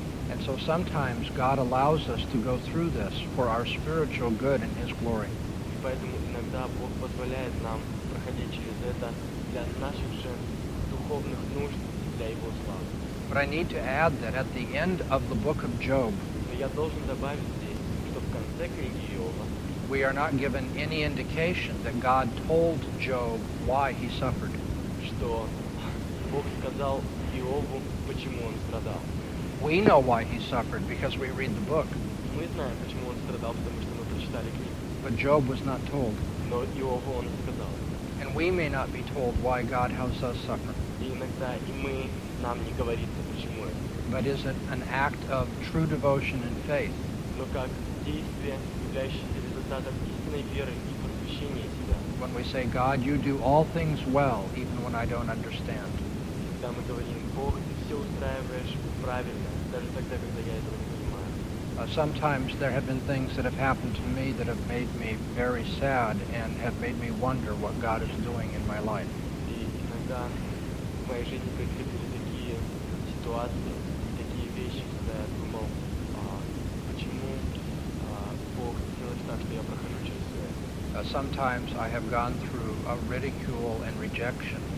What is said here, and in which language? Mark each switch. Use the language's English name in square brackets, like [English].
[English] And so sometimes God allows us to go through this for our spiritual good and His glory. [Russian] И поэтому иногда Бог позволяет нам проходить через это для наших же духовных нужд и для Его славы. [English] But I need to add that at the end of the book of Job, [Russian] я должен добавить здесь, что в конце книги Иова, [English] we are not given any indication that God told Job why he suffered. [Russian] Что Бог сказал Иову, почему он страдал. [English] We know why he suffered because we read the book. [Russian] Мы знаем, почему он страдал, потому что мы прочитали книгу. [English] But Job was not told. [Russian] Но Иову он сказал. [English] And we may not be told why God helps us suffer. [Russian] И иногда и мы нам не говорится, почему это. [English] But is it an act of true devotion and faith? [Russian] Но как действие, являющееся результатом истинной веры и посвящения себя. [English] When we say, God, you do all things well, even when I don't understand. [Russian] Когда мы говорим, Бог, ты все устраиваешь правильно, даже тогда, когда я этого не понимаю. [English] Sometimes there have been things that have happened to me that have made me very sad and have made me wonder what God is doing in my life. [Russian] И иногда в моей жизни происходили такие ситуации, такие вещи, когда я думал, почему Бог делает так, что я прохожу через это. [English] Sometimes I have gone through a ridicule and rejection.